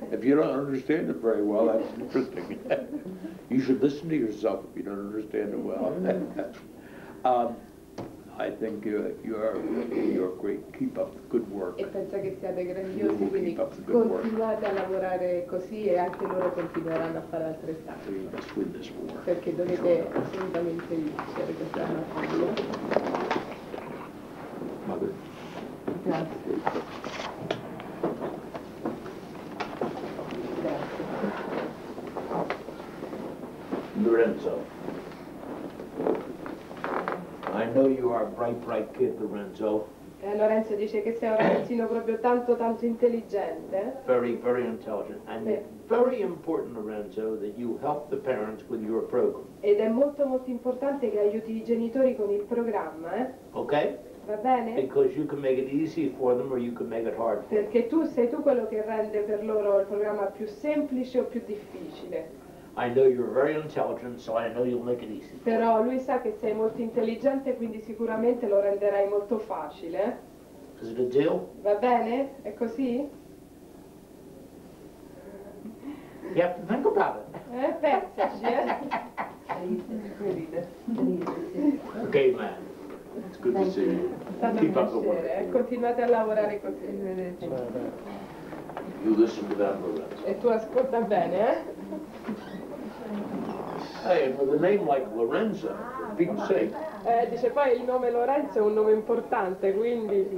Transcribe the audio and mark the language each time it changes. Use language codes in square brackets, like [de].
[en] If you don't understand it very well, that's interesting. You should listen to yourself if you don't understand it well. I think you're great. Keep up the good work. [it] E pensa che siate grandiosi, quindi continuate a lavorare così e anche loro continueranno a fare altrettanto. [en] You must win this war. [it] Perché dovete assolutamente vincere questa battaglia. [en] Mother. Lorenzo, I know you are a bright, bright kid, Lorenzo. [it] Lorenzo dice che sei un ragazzino proprio tanto, tanto intelligente. [en] Very, very intelligent. And very important, Lorenzo, that you help the parents with your program. [it] Ed è molto, molto importante che aiuti i genitori con il programma, eh? [en] Okay. [it] Va bene? [en] Because you can make it easy for them or you can make it hard for them. [it] Perché tu sei tu quello che rende per loro il programma più semplice o più difficile. [en] I know you're very intelligent, so I know you'll make it easy. [it] Però lui sa che sei molto intelligente, quindi sicuramente lo renderai molto facile. [en] Is it a deal? [it] Va bene? È così? [en] Yep, think about it. [it] Pensaci, [en] eh? Okay, man. It's good to see you. Keep up the work. [it] Continuate a lavorare così. [en] You listen to that, Lorenzo. [it] E tu ascolta bene, eh? [en] Hey, with a name like Lorenzo, for Pete's sake. [it] Dice poi il nome Lorenzo è un nome importante, quindi.